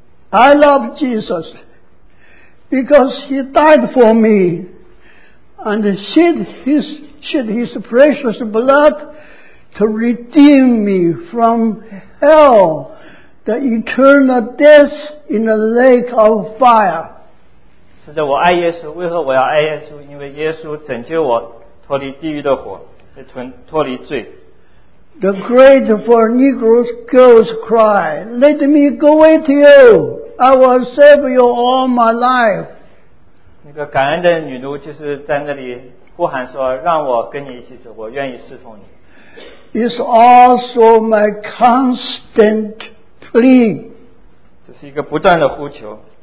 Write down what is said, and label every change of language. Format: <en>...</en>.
<en>I love Jesus because he died for me and shed his precious blood to redeem me from hell, the eternal death in the lake of fire.</en> <zh>是的，我爱耶稣。为何我要爱耶稣？因为耶稣拯救我脱离地狱的火，脱离罪。</zh> <en>The great for Negro's girls cry, "Let me go with you. I will serve you all my life."</en> <zh>那个感恩的女奴就是在那里呼喊说：“让我跟你一起走，我愿意侍奉你。”</zh> <en>It's also my constant plea.</en> <zh>这是一个不断的呼求。</zh>